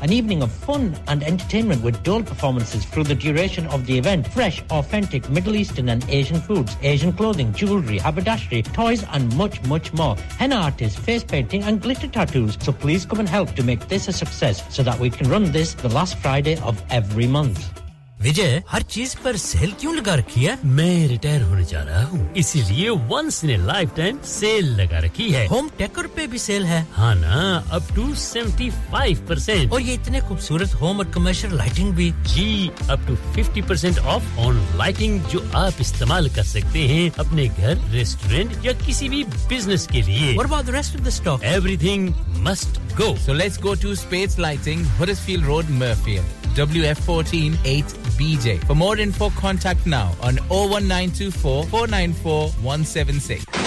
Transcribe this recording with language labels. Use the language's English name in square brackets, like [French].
[English] An evening of fun and entertainment with dual performances through the duration of the event. Fresh, authentic Middle Eastern and Asian foods, Asian clothing, jewellery, haberdashery, toys and much, much more. Henna artists, face painting and glitter tattoos. So please come and help to make this a success so that we can run this the last Friday of every month. [Hindi] विजय, हर चीज पर cell क्यों लगा रखी है? मैं retire होने जा रहा हूँ, इसीलिए [English] once in a lifetime [Hindi] cell लगा रखी है। होम डेकोर पे भी सेल है? हाँ ना, [English] up to [Hindi] 75%। और ये इतने खूबसूरत होम और कमर्शियल लाइटिंग भी? जी, [English] up to 50% off on lighting [Hindi] जो आप इस्तेमाल कर सकते हैं अपने घर, रेस्टोरेंट या किसी भी बिजनेस के लिए। [English] What about the rest of the stock? Everything must go. So let's go to Space Lighting, Huddersfield Road, Murfield. WF14 8BJ. For more info, contact now on 01924 494 176.